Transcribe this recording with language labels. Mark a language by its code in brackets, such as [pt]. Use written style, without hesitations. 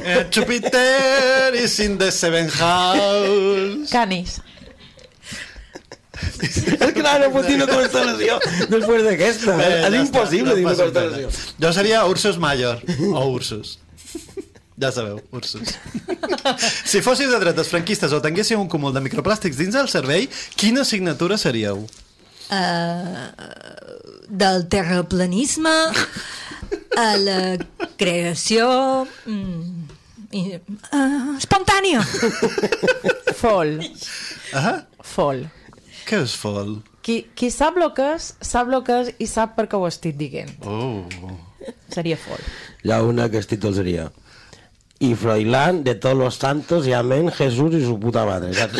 [en] Jupiter is in the seven house. [la] Canis. [ca] És que ara pot dir una constel·lació després d'aquesta. És impossible dir una constel·lació. Jo seria Ursus Major o Ursus. Ja sabeu, Ursus. Si fóssiu de dretes franquistes o tinguéssiu un cúmul de microplàstics dins el cervell, quina signatura seríeu? Del terraplanisme a la creació espontània. Fol. Fol. Què és fol? Qui sap lo que és, sap lo que és i sap per què ho estic dient. Seria fol. Hi ha una que es titularia I Froilán de tots los santos i amén Jesús i [es] su puta madre.